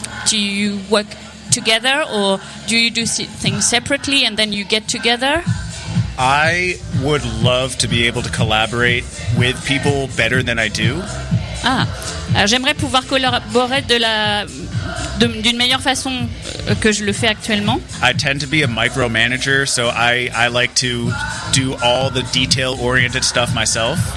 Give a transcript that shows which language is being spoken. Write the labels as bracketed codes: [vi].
[en] Do you work together or do you do things separately and then you get together? I would love to be able to collaborate with people better than I do. [fr] Ah, j'aimerais pouvoir collaborer d'une meilleure façon que je le fais actuellement. [en] I tend to be a micromanager, so I like to do all the detail oriented stuff myself.